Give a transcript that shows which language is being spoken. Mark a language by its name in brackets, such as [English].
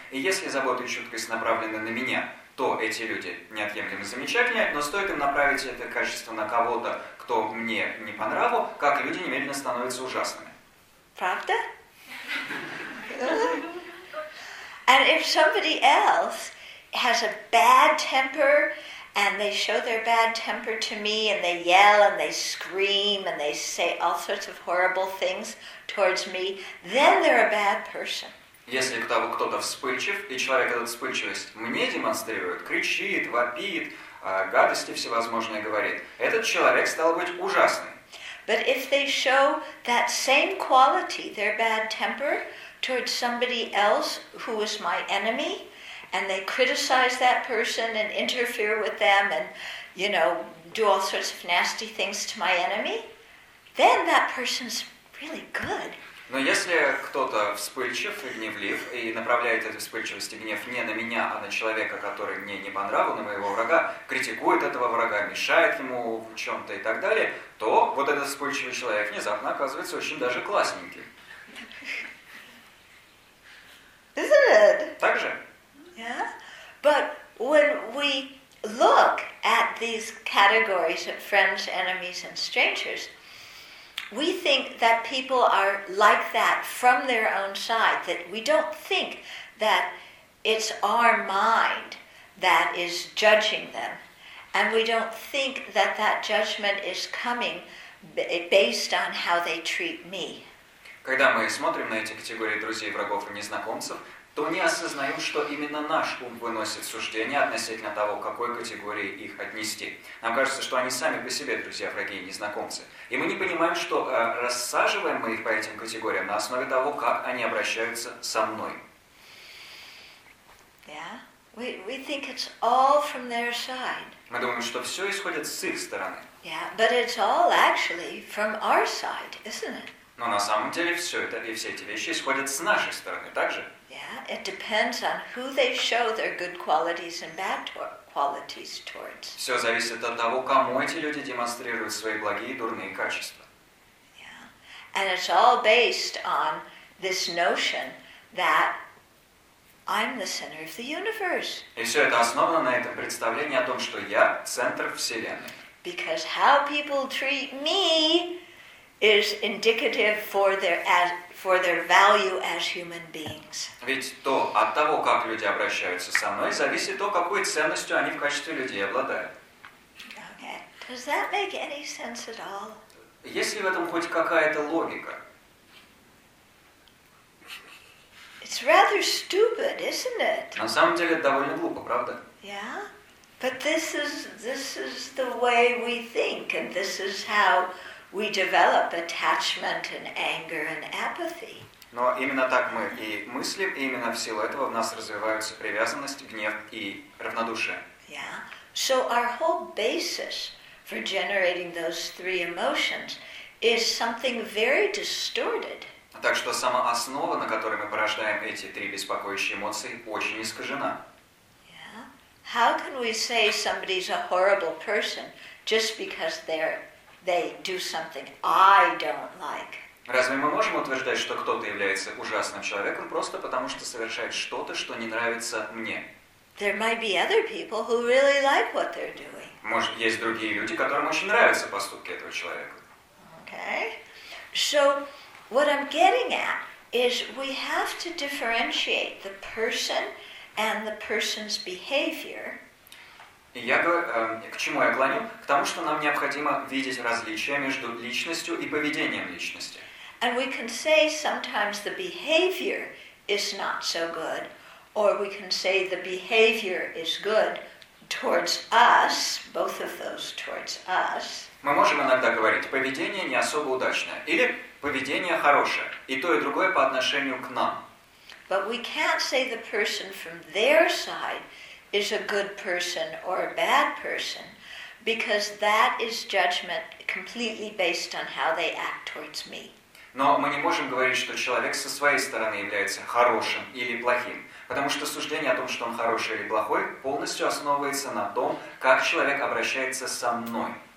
[Russian] И если забота и чуткость направлены на меня, то эти люди неотъемлемо замечательные, но стоит им направить это качество на кого-то, кто мне не по нраву, как люди немедленно становятся ужасными. Правда? [English] And if somebody else has a bad temper, and they show their bad temper to me, and they yell, and they scream, and they say all sorts of horrible things towards me, then they're a bad person. [Russian] Если кто-то вспыльчив, и человек этот вспыльчивость мне демонстрирует, кричит, вопит, гадости всевозможные говорит, этот человек стал быть ужасным. [English] But if they show that same quality, their bad temper, towards somebody else who is my enemy, and they criticize that person and interfere with them and, you know, do all sorts of nasty things to my enemy, then that person's really good. [Russian] Но если кто-то вспыльчив и гневлив, и направляет эту вспыльчивость и гнев не на меня, а на человека, который мне не по нраву, на моего врага, критикует этого врага, мешает ему в чем-то и так далее, то вот этот вспыльчивый человек внезапно оказывается очень даже классненький. [English] Isn't it? [Russian] Так же? [English] Yeah. But when we look at these categories of friends, enemies, and strangers, we think that people are like that from their own side, that we don't think that it's our mind that is judging them. And we don't think that that judgment is coming based on how they treat me. [Russian] Когда мы смотрим на эти категории друзей, врагов и незнакомцев, то не осознаем, что именно наш ум выносит суждения относительно того, к какой категории их отнести. Нам кажется, что они сами по себе друзья, враги и незнакомцы. И мы не понимаем, что рассаживаем мы их по этим категориям на основе того, как они обращаются со мной. [English] Yeah. We think it's all from their side. [Russian] Мы думаем, что все исходит с их стороны. [English] Yeah, but it's all actually from our side, isn't it? [Russian] Но на самом деле все это и все эти вещи исходят с нашей стороны, так же? [English] Yeah, it depends on who they show their good qualities and bad qualities towards. [Russian] Все зависит от того, кому эти люди демонстрируют свои благие и дурные качества. [English] Yeah, and it's all based on this notion that I'm the center of the universe. [Russian] И все это основано на этом представлении о том, что я центр вселенной. [English] Because how people treat me is indicative for their as for their value as human beings. [Russian] Ведь то, от того, как люди обращаются со мной, зависит то, какой ценностью они в качестве людей обладают. [English] Okay. Does that make any sense at all? [Russian] Есть ли в этом хоть какая-то логика? [English] It's rather stupid, isn't it? [Russian] На самом деле, это довольно глупо, правда? [English] Yeah. But this is the way we think, and this is how we develop attachment and anger and apathy. [Russian] Но именно так мы и мыслим, и именно в силу этого в нас развиваются привязанность, гнев и равнодушие. [English] Yeah. So our whole basis for generating those three emotions is something very distorted. [Russian] Так что сама основа, на которой мы порождаем эти три беспокоящие эмоции, очень искажена. [English] Yeah. How can we say somebody's a horrible person just because they do something I don't like? [Russian] Разве мы можем утверждать, что кто-то является ужасным человеком просто потому, что совершает что-то, что не нравится мне? [English] There might be other people who really like what they're doing. [Russian] Может, есть другие люди, которым очень нравятся поступки этого человека. [English] Okay. So what I'm getting at is we have to differentiate the person and the person's behavior. [Russian] К чему я клоню? К тому, что нам необходимо видеть различия между личностью и поведением личности. [English] And we can say sometimes the behavior is not so good, or we can say the behavior is good towards us, both of those towards us. [Russian] Мы можем иногда говорить, поведение не особо удачное, или поведение хорошее, и то, и другое по отношению к нам. [English] But we can't say the person from their side is a good person or a bad person, because that is judgment completely based on how they act towards me. [Russian] Но мы не можем говорить, что человек со своей стороны является хорошим или плохим, потому что суждение о том, что он хороший или плохой, полностью основывается на том, как человек обращается со мной.